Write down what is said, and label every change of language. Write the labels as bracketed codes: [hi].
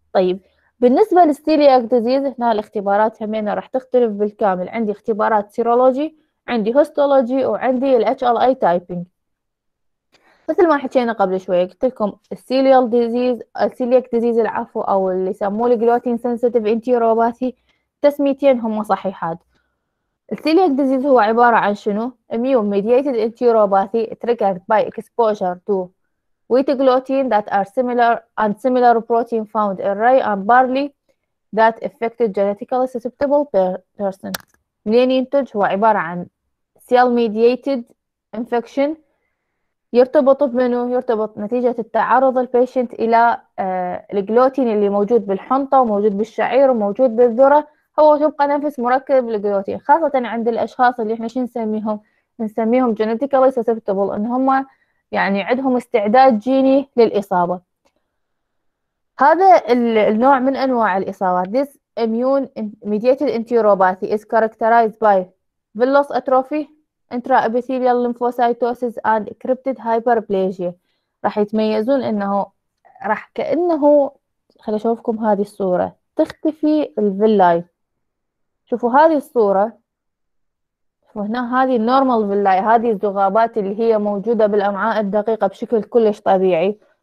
[ar] طيب بالنسبة للسيلياك ديزيز هنا الاختبارات همينة راح تختلف بالكامل، عندي اختبارات سيرولوجي، عندي هيستولوجي، وعندي ال HLA تايبينج. مثل ما حكينا قبل شوية قلت لكم السيليال ديزيز السيلياك ديزيز العفو او اللي يسموه الجلوتين سنسيتيف انتيروباثي تسميتين هما صحيحات. السيلياك ديزيز هو عبارة عن شنو؟ [en] immune mediated enteropathy triggered by exposure to wheat gluten that are similar and similar protein found in rye and barley that affected genetically susceptible person. [ar] منين ينتج؟ هو عبارة عن cell mediated infection يرتبط بمنه؟ يرتبط نتيجة التعرض البيشنت إلى الجلوتين اللي موجود بالحنطة وموجود بالشعير وموجود بالذرة، هو تبقى نفس مركب الجلوتين خاصة عند الأشخاص اللي احنا شو نسميهم؟ نسميهم genetically susceptible ان هم يعني عندهم استعداد جيني للإصابة. هذا النوع من أنواع الإصابات [en] This immune mediated enteropathy is characterized by villus atrophy, intraepithelial lymphocytosis and cryptid hyperplasia. [ar] راح يتميزون أنه راح كأنه خلي أشوفكم هذه الصورة تختفي الفيلاي. شوفوا هذه الصورة، وهنا هذه النورمال فيلاي، هذه الذغابات اللي هي موجودة بالأمعاء الدقيقة بشكل كلش طبيعي.